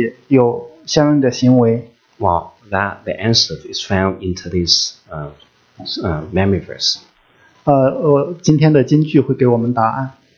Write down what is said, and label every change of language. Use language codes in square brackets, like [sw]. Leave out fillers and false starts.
[zh] 为什么但以理的立的心智可以有相应的行为? [en] Well, that the answer is found in today's memory verse. [zh] 今天的金句会给我们答案。